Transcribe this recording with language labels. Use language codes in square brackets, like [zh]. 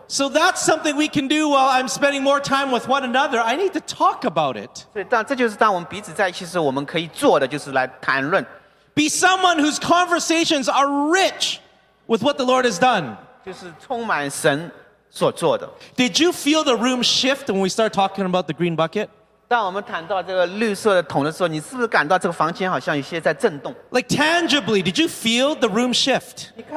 [en] So that's something we can do while I'm spending more time with one another. I need to talk about it. [zh] 对，但这就是当我们彼此在一起时，我们可以做的就是来谈论。 [en] Be someone whose conversations are rich with what the Lord has done. [zh] 就是充满神。 [en] Did you feel the room shift when we start talking about the green bucket? Like tangibly, did you feel the room shift?